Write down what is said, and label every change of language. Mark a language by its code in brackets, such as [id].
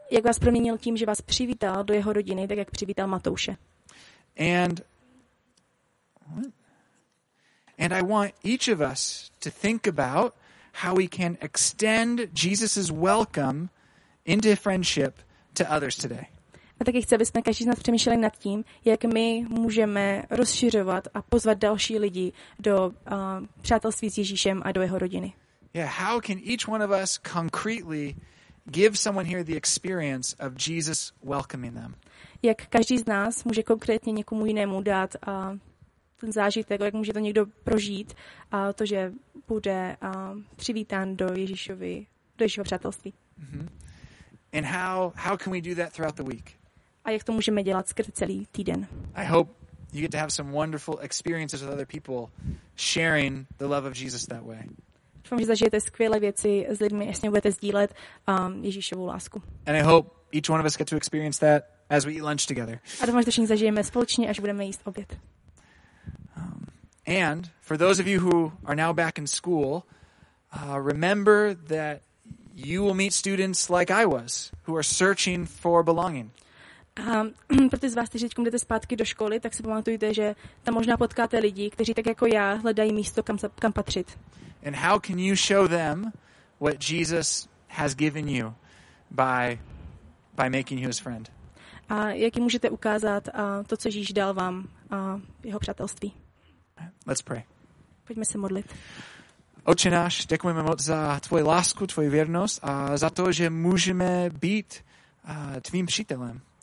[cs] Jak vás proměnil tím, že vás přivítal do jeho rodiny, tak jak přivítal Matouše. [en] And I want each of us to think about how we can extend Jesus's welcome into friendship to others today. [cs] A taky chci, abychom každý z nás přemýšleli nad tím, jak my můžeme rozšiřovat a pozvat další lidi do přátelství s Ježíšem a do jeho rodiny. [en] Yeah, how can each one of us concretely give someone here the experience of Jesus welcoming them? [cs] Jak každý z nás může konkrétně někomu jinému dát ten zážitek, jak může to někdo prožít a to, že bude přivítán do Ježíšova přátelství. Mm-hmm. [en] And how can we do that throughout the week? [cs] A jak to můžeme dělat skrze celý týden? [en] I hope you get to have some wonderful experiences with other people sharing the love of Jesus that way. [cs] Doufám, že zažijete skvělé věci s lidmi, jestli budete sdílet Ježíšovu lásku. [en] And I hope each one of us get to experience that as we eat lunch together. [cs] A doufám, že všichni zažijeme společně, až budeme jíst oběd. [en] And for those of you who are now back in school, remember that you will meet students like I was, who are searching for belonging. [cs] Pro ty z vás, kteří teď jdete zpátky do školy, tak si pamatujte, že tam možná potkáte lidi, kteří tak jako já hledají místo, kam patřit. [en] And how can you show them what Jesus has given you by making you his friend? [cs] A jak jim můžete ukázat to, co Ježíš dal vám, jeho přátelství? [en] Let's pray. [cs] Pojďme se modlit. Otče náš, děkujeme moc za tvoji lásku, tvoji věrnost a za to, že můžeme být tvým přítelem.